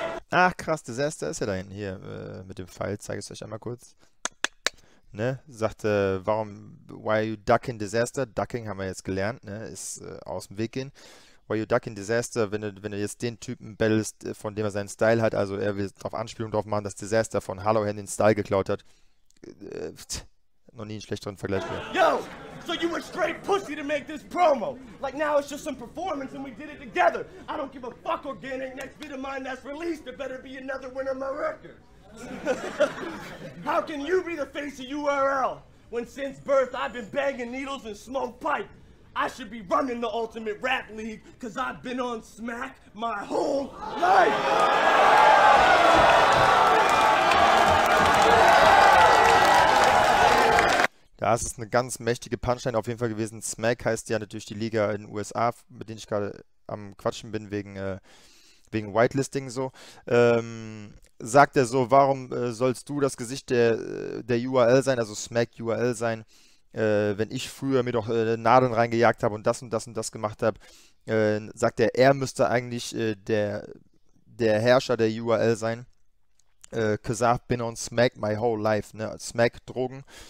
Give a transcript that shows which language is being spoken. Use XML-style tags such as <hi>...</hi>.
<de>Ach krass, Disaster ist ja da hinten hier mit dem Pfeil, zeige ich es euch einmal kurz. Ne?</de> <en>Sagt, warum, why are you ducking disaster?</en> <de>Ducking haben wir jetzt gelernt, ne? Ist aus dem Weg gehen.</de> <en>Why you duck in Disaster,</en> <de>wenn du jetzt den Typen battlest, von dem er seinen Style hat, also er will auf Anspielung drauf machen, dass Disaster von Hollowhand den Style geklaut hat. Noch nie einen schlechteren Vergleich mehr.</de> <en>Yo, so you were straight pussy to make this promo. Like now it's just some performance and we did it together. I don't give a fuck organic, next bit of mine that's released, it better be another winner of my record. How can you be the face of URL, when since birth I've been banging needles and smoke pipe? I should be running the Ultimate Rap League, cause I've been on smack my whole life!</en> <de>Das ist eine ganz mächtige Punchline auf jeden Fall gewesen. Smack heißt ja natürlich die Liga in den USA, mit denen ich gerade am Quatschen bin, wegen, wegen Whitelisting so, sagt er so, warum sollst du das Gesicht der URL sein, also Smack URL sein, wenn ich früher mir doch Nadeln reingejagt habe und das und das und das gemacht habe, sagt er, er müsste eigentlich der Herrscher der URL sein.</de> <en>Cause I've been on Smack my whole life, ne? Smack,</en> <de>Drogen.</de>